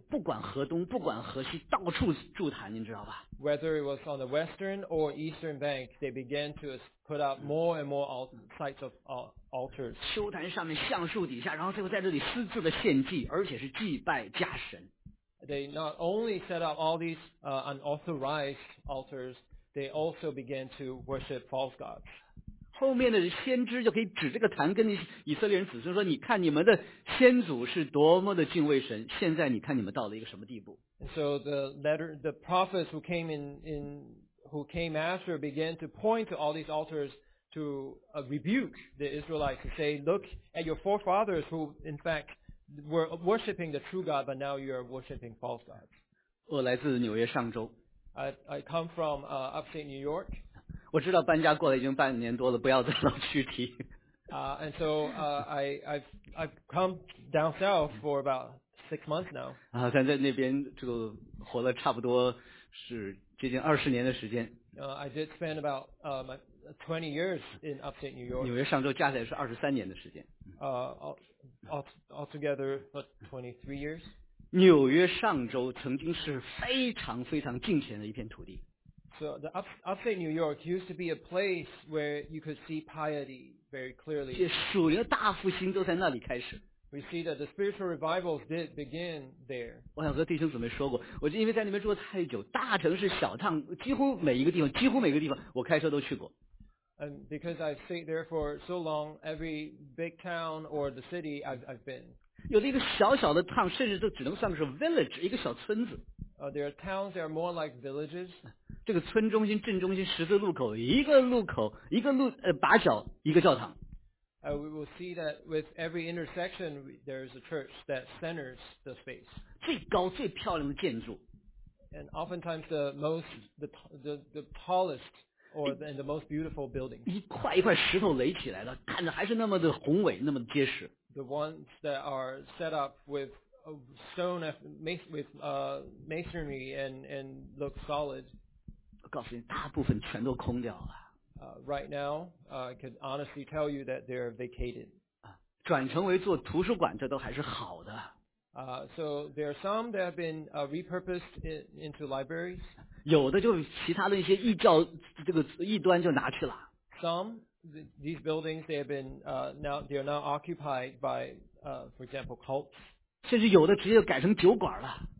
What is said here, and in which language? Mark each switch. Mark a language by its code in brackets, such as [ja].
[zh] 不管河东，不管河西，到处筑坛，您知道吧 [en] ？Whether it was on the western or eastern bank， they began to put up more and more sites of altars， [zh] 秋坛上面橡树底下，然后最后在这里私自的献祭，而且是祭拜假神。 [en] They not only set up all these unauthorized altars, they also began to worship false gods. [zh] 后面的先知就可以指这个坛，跟以色列人子孙说：“你看你们的先祖是多么的敬畏神，现在你看你们到了一个什么地步。” [en] So the prophets who came after began to point to all these altars. To rebuke the Israelites to say, look at your forefathers who in fact were worshipping the true God, but now you are worshipping false gods. [zh] 我来自纽约上州。 [en] I come from upstate New York. [zh] 我知道搬家过来已经半年多了，不要再老去提。 [en] And so I've come down south for about 6 months now. [zh] 但在那边就活了差不多是接近20年的时间。 [en] I did spend about my 20 years in upstate New York. [zh] 纽约上周加起来是23年的时间。 [en] Altogether, but 23 years. [zh] 纽约上周曾经是非常非常敬虔的一片土地。 [en] So the upstate New York used to be a place where you could see piety very clearly. [zh] 这属灵大复兴都在那里开始。 [en] We see that the spiritual revivals did begin there. [zh] 我想和弟兄姊妹说过，我就因为在那边住了太久，大城市、小趟，几乎每一个地方，我开车都去过。 [en] And because I've stayed there for so long, every big town or the city I've been. [zh] 有的一个小小的 town， 甚至都只能算是 village， 一个小村子。 [en] There are towns that are more like villages. [zh] 这个村中心、镇中心、十字路口，一个路口，一个路把角，一个教堂。 [en] We will see that with every intersection, there is a church that centers the space. [zh] 最高最漂亮的建筑。 [en] And oftentimes the most, the tallest. Or in the most beautiful building. [zh] 一块一块石头垒起来的，看着还是那么的宏伟，那么结实。 [en] The ones that are set up with stone, with masonry and look solid. [zh] 我告诉你，大部分全都空掉了。 [en] Right now, I could honestly tell you that they're vacated. [zh] 转成为做图书馆，这都还是好的。 [en] So there are some that have been repurposed into libraries. [zh] 有的就其他的一些异教这个异端就拿去了。 [en] Some these buildings they have been now they are now occupied by for example cults. [zh] 甚至有的直接就改成酒馆了。